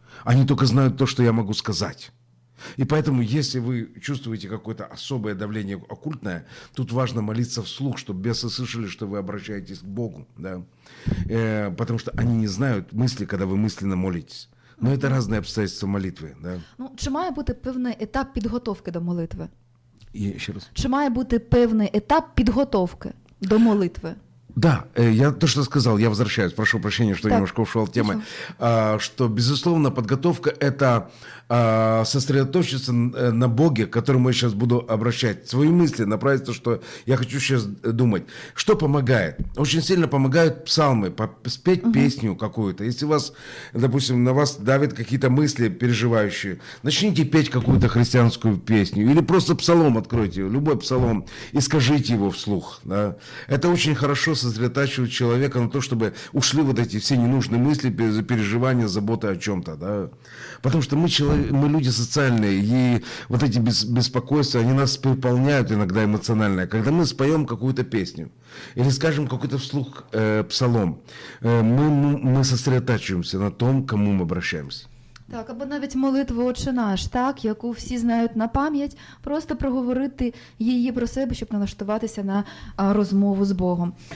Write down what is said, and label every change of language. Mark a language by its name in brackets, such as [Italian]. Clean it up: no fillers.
[Russian] Они только знают то, что я могу сказать. И поэтому, если вы чувствуете какое-то особое давление оккультное, тут важно молиться вслух, чтобы бесы слышали, что вы обращаетесь к Богу. Да? Потому что они не знают мысли, когда вы мысленно молитесь. Но это разные обстоятельства молитвы. Да? [Ukrainian] Ну, чи має бути певний етап підготовки до молитви? [Russian] И еще раз. [Ukrainian] Чи має бути певний етап підготовки до молитви? [Russian] Да, я то, что сказал, я возвращаюсь, прошу прощения, что так, немножко ушел от темы, что, безусловно, подготовка – это сосредоточиться на Боге, к которому я сейчас буду обращать свои мысли, направить то, что я хочу сейчас думать. Что помогает? Очень сильно помогают псалмы, спеть песню какую-то. Если у вас, допустим, на вас давят какие-то мысли переживающие, начните петь какую-то христианскую песню или просто псалом откройте, любой псалом, и скажите его вслух. Да? Это очень хорошо сосредотачивать человека на то, чтобы ушли вот эти все ненужные мысли, переживания, заботы о чем-то, да. Потому что мы люди социальные, и вот эти беспокойства, они нас переполняют иногда эмоционально. Когда мы споем какую-то песню или скажем какой-то вслух псалом, мы сосредотачиваемся на том, к кому мы обращаемся. [Ukrainian] Так, або навіть молитву «Отче наш», так, яку всі знають на пам'ять, просто проговорити її про себе, щоб налаштуватися на розмову з Богом.